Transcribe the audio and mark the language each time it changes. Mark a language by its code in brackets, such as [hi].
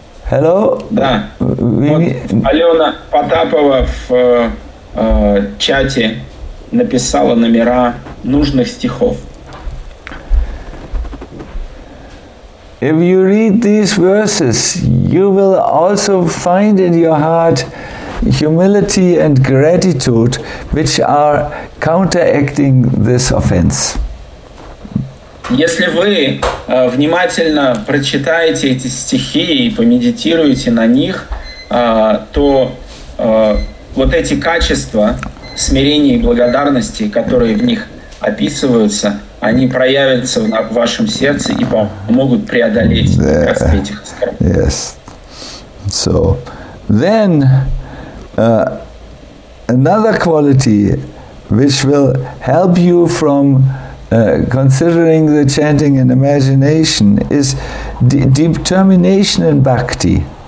[en] Hello. [ru] Да. Алена Потапова в чате написала номера нужных стихов. [en] If you read these verses, you will also find in your heart humility and gratitude, which are counteracting this offense. [ru] Если вы внимательно прочитаете эти стихи и помедитируете на них, то вот эти качества смирения и благодарности, которые в них описываются, они проявятся в вашем сердце и помогут преодолеть этих оскорблений. [en] Yes. So, then another quality which will help you from considering the chanting and imagination is determination in bhakti.